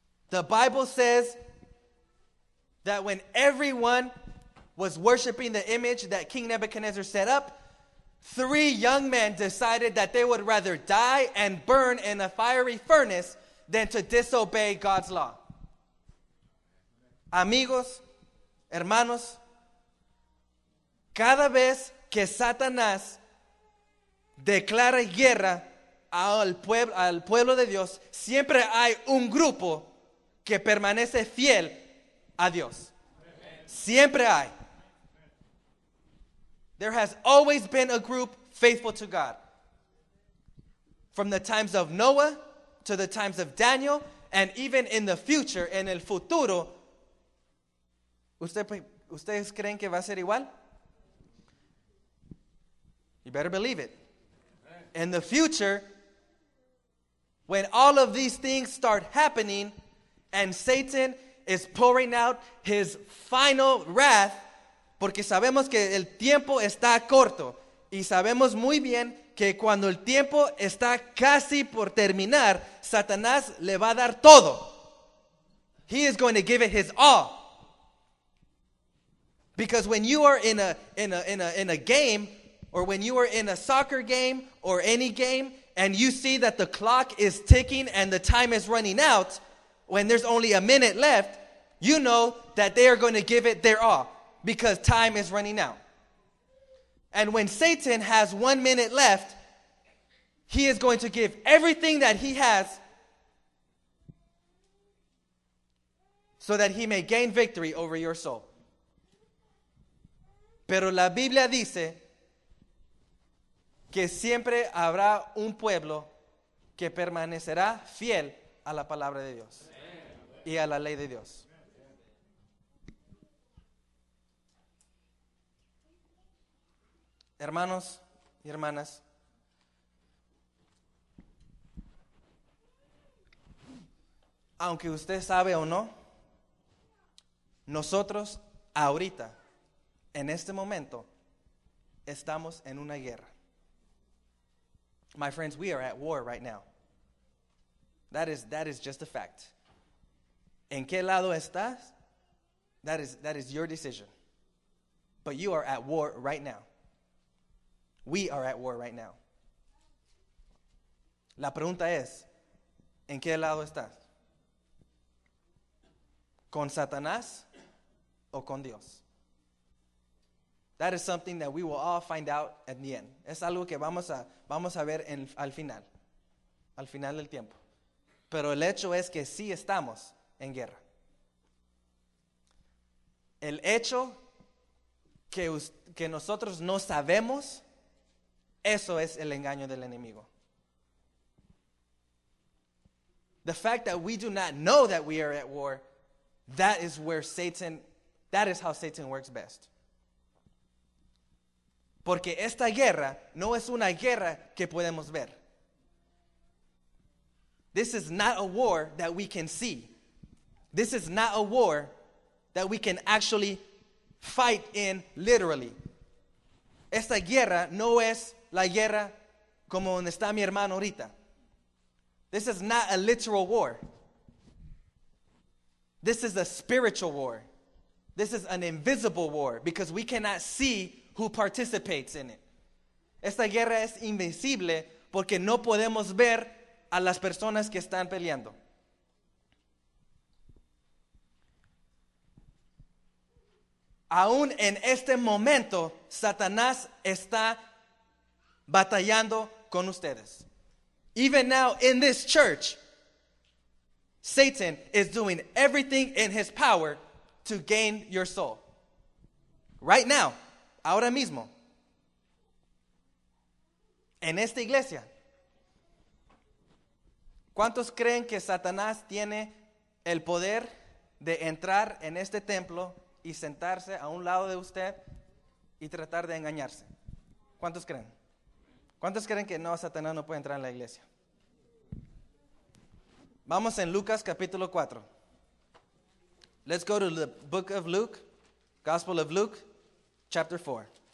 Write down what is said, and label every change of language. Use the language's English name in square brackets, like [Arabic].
[English] The Bible says that when everyone was worshiping the image that King Nebuchadnezzar set up, three young men decided that they would rather die and burn in a fiery furnace than to disobey God's law. [Spanish] Amigos, hermanos, cada vez que Satanás declara guerra al pueblo de Dios, siempre hay un grupo que permanece fiel a Dios. Siempre hay. [English] There has always been a group faithful to God. From the times of Noah to the times of Daniel, and even in the future, [Spanish] en el futuro. ¿Ustedes creen que va a ser igual? [English] You better believe it. In the future, when all of these things start happening, and Satan is pouring out his final wrath, [Spanish] porque sabemos que el tiempo está corto, y sabemos muy bien que cuando el tiempo está casi por terminar, Satanás le va a dar todo. [English] He is going to give it his all. Because when you are in a game, or when you are in a soccer game, or any game, and you see that the clock is ticking and the time is running out, when there's only a minute left, you know that they are going to give it their all because time is running out. And when Satan has 1 minute left, he is going to give everything that he has so that he may gain victory over your soul. [Spanish] Pero la Biblia dice que siempre habrá un pueblo que permanecerá fiel a la palabra de Dios y a la ley de Dios. Hermanos y hermanas, aunque usted sabe o no, nosotros ahorita, en este momento, estamos en una guerra. [English] My friends, we are at war right now. That is just a fact. [Spanish] ¿En qué lado estás? [English] That is your decision. But you are at war right now. We are at war right now. [Spanish] La pregunta es, ¿en qué lado estás? ¿Con Satanás o con Dios? [English] That is something that we will all find out at the end. [Spanish] Es algo que vamos a ver en, al final del tiempo. Pero el hecho es que sí estamos en guerra. El hecho que nosotros no sabemos, eso es el engaño del enemigo. [English] The fact that we do not know that we are at war, that is where Satan, that is how Satan works best. [Spanish] Porque esta guerra no es una guerra que podemos ver. [English] This is not a war that we can see. This is not a war that we can actually fight in literally. [Spanish] Esta guerra no es la guerra como donde está mi hermano ahorita. [English] This is not a literal war. This is a spiritual war. This is an invisible war because we cannot see who participates in it. [Spanish] Esta guerra es invisible porque no podemos ver a las personas que están peleando. Aún en este momento, Satanás está batallando con ustedes. [English] Even now in this church, Satan is doing everything in his power to gain your soul. Right now, [Spanish] ahora mismo, en esta iglesia, ¿cuántos creen que Satanás tiene el poder de entrar en este templo y sentarse a un lado de usted y tratar de engañarse? ¿Cuántos creen? ¿Cuántos creen que no, Satanás no puede entrar en la iglesia? Vamos en Lucas capítulo 4. [English] Let's go to the book of Luke, Gospel of Luke, chapter 4.